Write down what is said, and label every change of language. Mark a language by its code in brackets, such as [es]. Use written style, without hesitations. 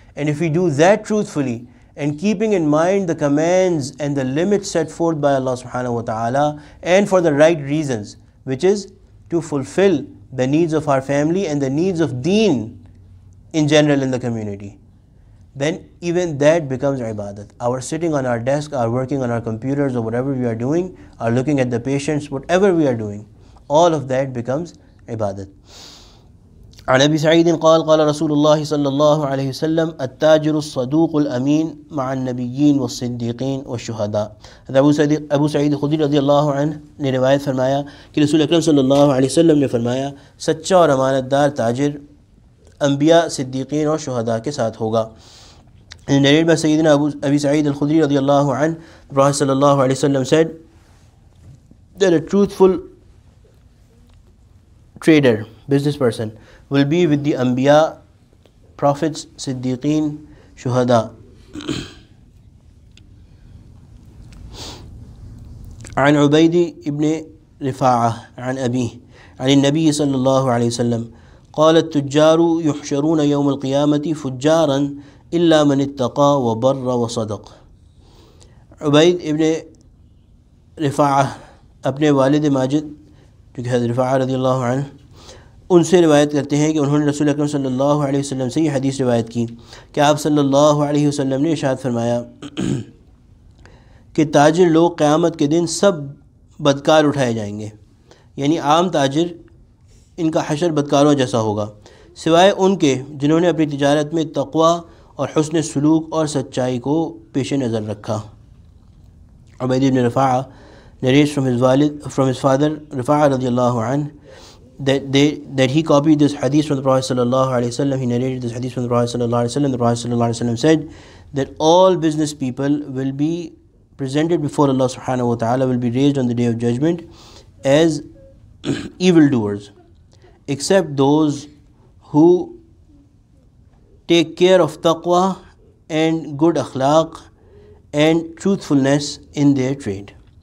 [en] And if we do that truthfully, and keeping in mind the commands and the limits set forth by Allah subhanahu wa ta'ala, and for the right reasons, which is to fulfill the needs of our family and the needs of deen in general in the community, then even that becomes ibadat. Our sitting on our desk, our working on our computers, or whatever we are doing, our looking at the patients, whatever we are doing, all of that becomes ibadat. [ar] عن أبي سعيد قال قال رسول الله صلى الله عليه وسلم التاجر الصدوق الأمين مع النبيين والصديقين والشهداء. هذا أبو سعيد الخدري رضي الله عنه [ur] نے روایت فرمایا کہ رسول اکرم صلى الله عليه وسلم نے فرمایا سچا اور امانت دار تاجر انبیاء صدیقین اور شہداء کے ساتھ ہوگا. [en] In the narrated by سيدنا Abi Said al-Khudri [ar] رضي الله عنه, [en] Prophet صلى الله عليه وسلم said that a truthful trader, business person, will be with the Anbiya, prophets, siddiqeen, shuhada. [ar] عن عبيد ابن رفاعة عن أبيه عن النبي صلى الله عليه وسلم قال التجار يحشرون يوم القيامة فجارا إلا من اتقى وبر وصدق. [ur] عبيد ابن رفاعة اپنے والد ماجد جو کہ حضرت رفاعہ رضی اللہ عنہ ان سے روایت کرتے ہیں کہ انہوں نے رسول اکرم صلی اللہ علیہ وسلم سے یہ حدیث روایت کی کہ آپ صلی اللہ علیہ وسلم نے ارشاد فرمایا کہ تاجر لوگ قیامت کے دن سب بدکار اٹھائے جائیں گے, یعنی عام تاجر ان کا حشر بدکاروں جیسا ہوگا, سوائے ان کے جنہوں نے اپنی تجارت میں تقوی اور حسن سلوک اور سچائی کو پیش نظر رکھا. [en] Ubaid bin Rifa'a narrates from his father Rifa'a radiallahu that he copied this hadith from the Prophet sallallahu alaihi wasallam. He narrated this hadith from the Prophet sallallahu alaihi wasallam. The Prophet sallallahu alaihi wasallam said that all business people will be presented before Allah subhanahu wa ta'ala, will be raised on the day of judgment as evildoers, except those who take care of taqwa and good akhlaq and truthfulness in their trade.